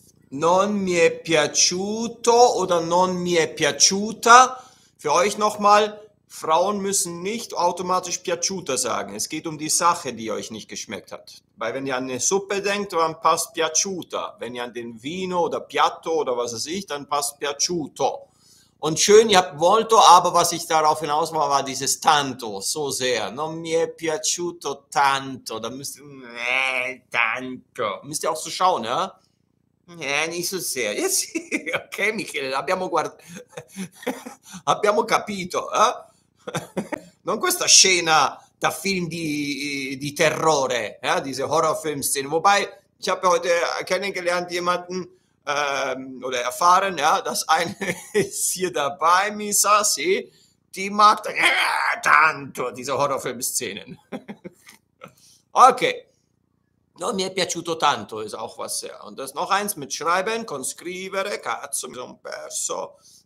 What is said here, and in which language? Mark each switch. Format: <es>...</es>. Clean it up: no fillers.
<it>Non mi è piaciuto oder non mi è piaciuta.</it> <de>Für euch nochmal: Frauen müssen nicht automatisch piaciuta sagen. Es geht um die Sache, die euch nicht geschmeckt hat. Weil, wenn ihr an eine Suppe denkt, dann passt piaciuta. Wenn ihr an den Vino oder Piatto oder was weiß ich, dann passt piaciuto. Und schön, ihr habt wollto, aber was ich darauf hinaus war, war dieses tanto, so sehr.</de> <it>Non mi è piaciuto tanto.</it> <de>Da müsst ihr,</de> <it>tanto.</it> <de>Müsst ihr auch so schauen, ja? Nicht so sehr. Yes.</de> <it>Okay, Michele, abbiamo capito, Non questa scena da film di terrore,</it> <de>diese Horrorfilmszene. Wobei, ich habe heute kennengelernt jemanden, oder erfahren, ja, das eine ist hier dabei, Misa, sie, die mag tanto diese Horrorfilm-Szenen. Okay.</de> <it>No, mi è piaciuto tanto,</it> <de>ist auch was sehr. Und das noch eins mit Schreiben,</de> <it>con scrivere, cazzo, mi sono perso.</it>